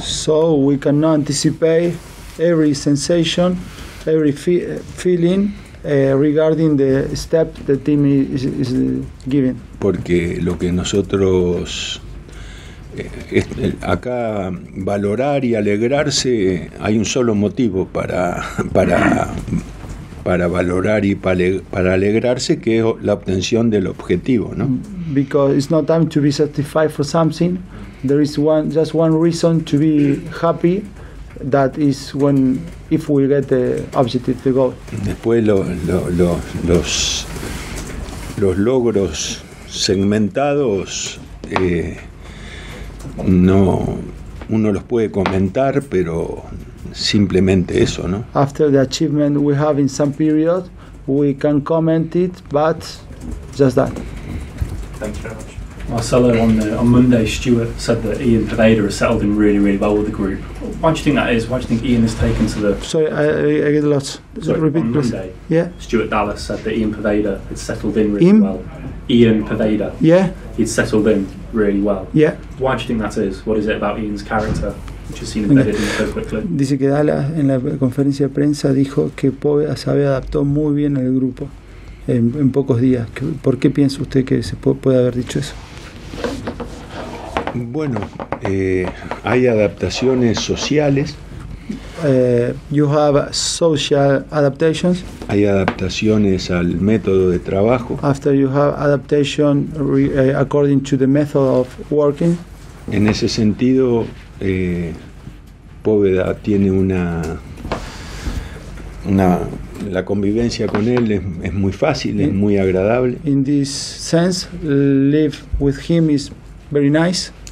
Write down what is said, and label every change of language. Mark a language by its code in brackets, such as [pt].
[en] So we cannot anticipate every sensation, every feeling regarding the step the team is giving. [es] Porque lo que nosotros acá valorar y alegrarse, hay un solo motivo para valorar y para alegrarse, que es la obtención del objetivo, ¿no? [en] Because it's not time to be satisfied for something. There is one, just one reason to be happy, that is when if we get the objective, the goal. [es] Después los logros segmentados no uno los puede comentar, pero simplemente eso, ¿no? [en] After the achievement we have in some period, we can comment it, but just that. Thank you very much. Marcelo, on Monday, Stuart said that Ian Pineda has settled in really, really well with the group. Why do you think that is? Why do you think Ian has taken to the... Sorry, I get a lot. Sorry, repeat, on please. Monday, yeah? Stuart Dallas said that Ian Pineda had settled in really well. Ian Pineda. Yeah? He'd settled in really well. Yeah. Why do you think that is? What is it about Ian's character? Okay. [es] Dice que Dallas en la conferencia de prensa dijo que Poveda se adaptó muy bien al grupo en pocos días. ¿Por qué piensa usted que se puede haber dicho eso? Bueno, hay adaptaciones sociales. [en] You have social adaptations. [es] Hay adaptaciones al método de trabajo. [en] After you have adaptation according to the method of working. [es] En ese sentido, Póveda tiene la convivencia con él es muy fácil, es muy agradable. [en] In this sense, live with him is very nice.